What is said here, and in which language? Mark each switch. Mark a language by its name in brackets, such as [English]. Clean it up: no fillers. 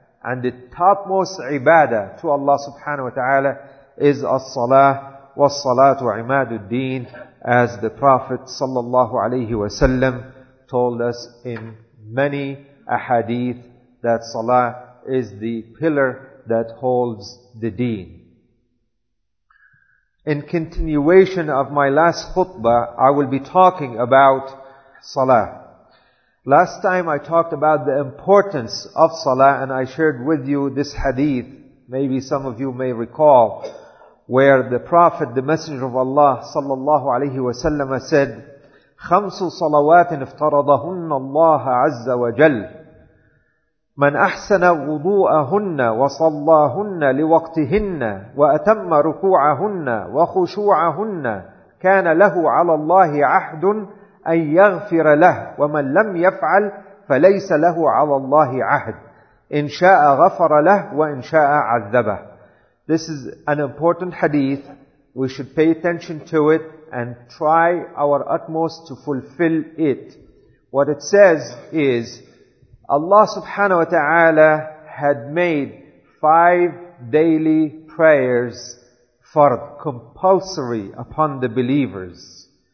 [English] And the topmost ibadah to Allah subhanahu wa ta'ala is as-salah, [Arabic] was-salatu imaduddin, [English] as the Prophet sallallahu alayhi wa sallam told us in many a hadith, that salah is the pillar that holds the deen. In continuation of my last khutbah, I will be talking about salah. Last time I talked about the importance of salah, and I shared with you this hadith, maybe some of you may recall, where the Prophet, the Messenger of Allah sallallahu alayhi wa sallam, said, [Arabic] خَمْسُ صَلَوَاتٍ افْتَرَضَهُنَّ اللَّهَ عَزَّ وَجَلَّ مَنْ أَحْسَنَ وُضُوءَهُنَّ وَصَلَّاهُنَّ لِوَقْتِهِنَّ وَأَتَمَّ رُكُوعَهُنَّ وَخُشُوعَهُنَّ كَانَ لَهُ عَلَى اللَّهِ عَهْدٌ أَنْ يَغْفِرَ لَهُ وَمَنْ لَمْ يَفْعَلْ فَلَيْسَ لَهُ عَلَى اللَّهِ عَهْدٌ إِنْ شَاءَ غَفَرَ لَهُ وَإِنْ شَاءَ عَذَّبَهُ. [English] This is an important hadith. We should pay attention to it and try our utmost to fulfill it. What it says is, Allah subhanahu wa ta'ala had made 5 daily prayers fard, compulsory upon the believers.